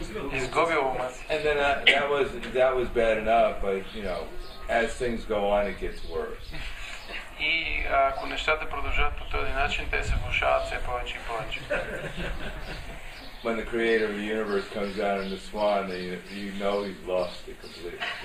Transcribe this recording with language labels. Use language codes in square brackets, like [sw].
[en] And then that was bad enough, but you know, as things go on, it gets worse. [bg] И ако нещата продължат по този начин, те се влошават все повече и повече. [en] When the creator of the universe comes down in the swan, you know he's lost it completely.